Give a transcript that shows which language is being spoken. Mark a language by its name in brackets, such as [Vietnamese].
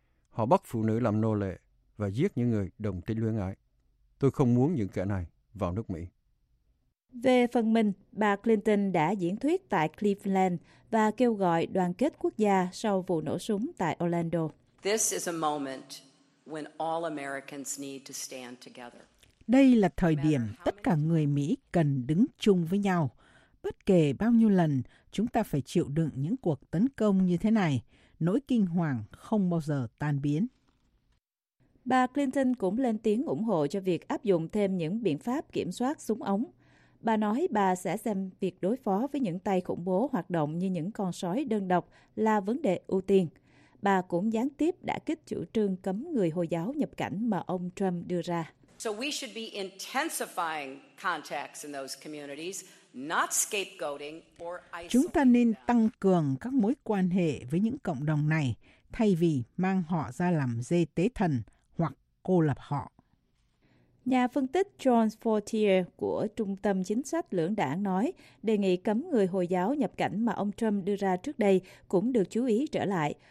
[Vietnamese] Họ bắt phụ nữ làm nô lệ và giết những người đồng tính luyến ái. Tôi không muốn những kẻ này vào nước Mỹ. Về phần mình, bà Clinton đã diễn thuyết tại Cleveland và kêu gọi đoàn kết quốc gia sau vụ nổ súng tại Orlando. [English] This is a moment when all Americans need to stand together. [Vietnamese] Đây là thời điểm tất cả người Mỹ cần đứng chung với nhau. Bất kể bao nhiêu lần chúng ta phải chịu đựng những cuộc tấn công như thế này, nỗi kinh hoàng không bao giờ tan biến. Bà Clinton cũng lên tiếng ủng hộ cho việc áp dụng thêm những biện pháp kiểm soát súng ống. Bà nói bà sẽ xem việc đối phó với những tay khủng bố hoạt động như những con sói đơn độc là vấn đề ưu tiên. Bà cũng gián tiếp đã kích chủ trương cấm người Hồi giáo nhập cảnh mà ông Trump đưa ra. [English] So we should be intensifying contacts in those communities. Not scapegoating or isolating. [Vietnamese] Chúng ta nên tăng cường các mối quan hệ với những cộng đồng này thay vì mang họ ra làm dê tế thần hoặc cô lập họ. Nhà phân tích John Fortier của Trung tâm Chính sách Lưỡng Đảng nói đề nghị cấm người Hồi giáo nhập cảnh mà ông Trump đưa ra trước đây cũng được chú ý trở lại.